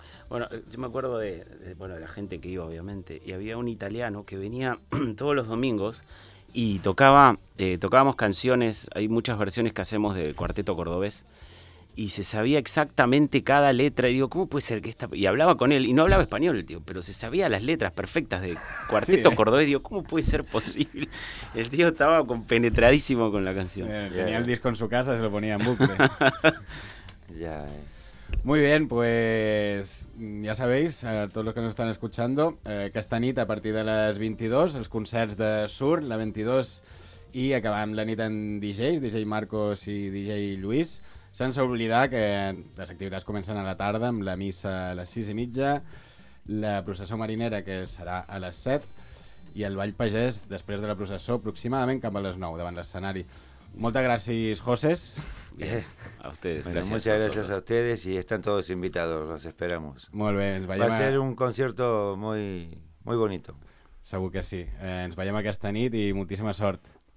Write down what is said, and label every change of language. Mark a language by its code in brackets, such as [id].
[es] Bueno, yo me acuerdo de la gente que iba, obviamente, y había un italiano que venía todos los domingos y tocaba, tocábamos canciones, hay muchas versiones que hacemos del Cuarteto Cordobés, y se sabía exactamente cada letra, y digo, ¿cómo puede ser que esta...? Y hablaba con él, y no hablaba español, tío, pero se sabía las letras perfectas del Cuarteto Cordobés, y digo, ¿cómo puede ser posible? El tío estaba compenetradísimo con la canción. Tenía el disco en su casa, se lo ponía en bucle. Ya, [ca] Muy bien, pues ja sabeu, a tots els que ens estan escuchando, aquesta nit a partir de les 22, els concerts de Sur, la 22, i acabam la nit amb DJs, DJ Marcos i DJ Lluís, sense oblidar que les activitats comencen a la tarda amb la missa a les 6:30, la processó marinera que serà a les 7 i el ball pagès després de la processó aproximadament cap a les 9 davant l'escenari. Moltes gràcies, José. [es] A ustedes. Bueno, gracias, muchas gracias a ustedes y están todos invitados, los esperamos. Muy bien. Va a ser un concierto muy, muy bonito. Seguro que sí. Nos vayamos a esta nit y muchísima suerte.